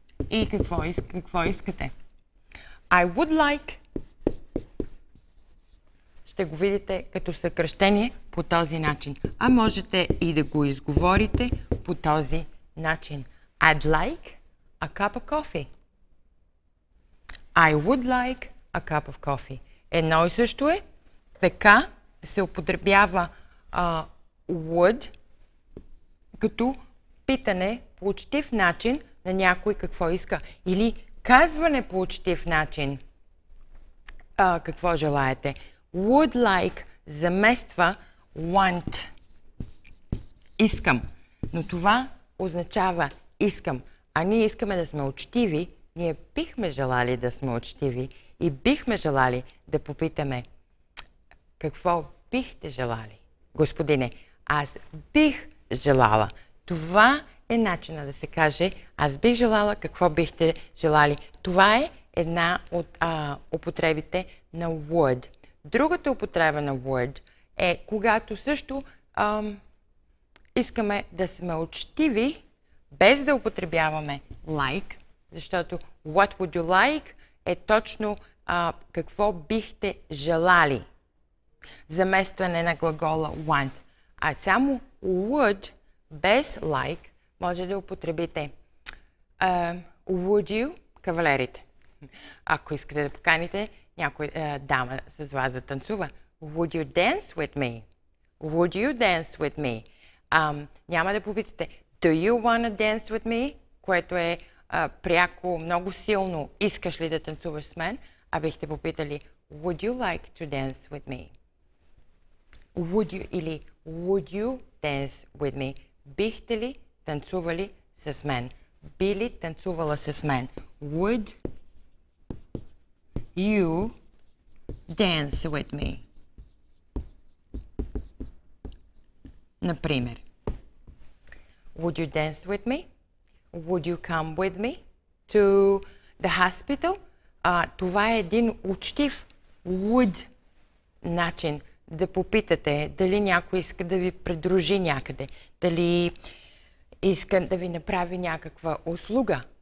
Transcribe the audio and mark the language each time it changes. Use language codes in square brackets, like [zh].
[bg] И какво искате? [en] I would like. [bg] Ще го видите като съкръщение по този начин. А можете и да го изговорите по този начин. [en] I'd like a cup of coffee. I would like a cup of coffee. [bg] Едно и също е. Така се употребява would като питане по учтив начин на някой какво иска. Или казване по учтив начин какво желаете. Would like замества want. Искам. Но това означава искам. А ние искаме да сме учтиви. Ние бихме желали да сме учтиви. И бихме желали да попитаме какво бихте желали, господине. Аз бих желала. Това е начина да се каже аз бих желала, какво бихте желали. Това е една от употребите на would. Другата употреба на would е когато също искаме да сме учтиви, без да употребяваме like, защото [en] what would you like [bg] е точно какво бихте желали. Заместване на глагола want. А само would без like може да употребите [en] would you, [bg] кавалерите. Ако искате да поканите някой дама с вас да танцува. [en] Would you dance with me? Would you dance with me? [bg] Няма да попитате [en] do you wanna dance with me? [bg] Което е пряко, много силно искаш ли да танцуваш с мен? А бихте попитали [en] would you like to dance with me? Would you или would you dance with me? [bg] Бихте ли танцували с мен? Би ли танцувала с мен? [en] Would you dance with me? [bg] Например. [en] Would you dance with me? Would you come with me to the hospital? [bg] Това е един учтив would начин. Да попитате дали някой иска да ви придружи някъде. Дали иска да ви направи някаква услуга.